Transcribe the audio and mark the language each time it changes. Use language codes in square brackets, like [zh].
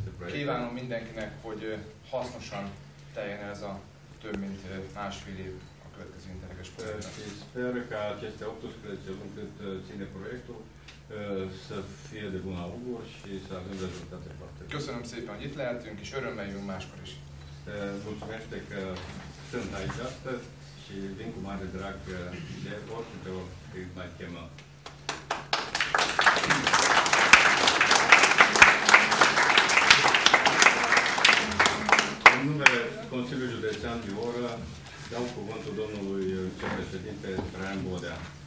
[hu] kívánom mindenkinek, hogy hasznosan teljen ez a több mint másfél év a következő interreges projektet. [ro] Sper că aceste 18 luni cât ține proiectul să fie de bun augur și să avem rezultate foarte bune. [hu] Köszönöm szépen, hogy itt lehetünk, és örömmel jön máskor is. [ro] Mulțumesc că sunt aici astăzi și vin cu mare drag de ori, câte ori mai chemă. În numele Consiliului Județean Bihor, dau cuvântul domnului vicepreședinte Traian Bodea.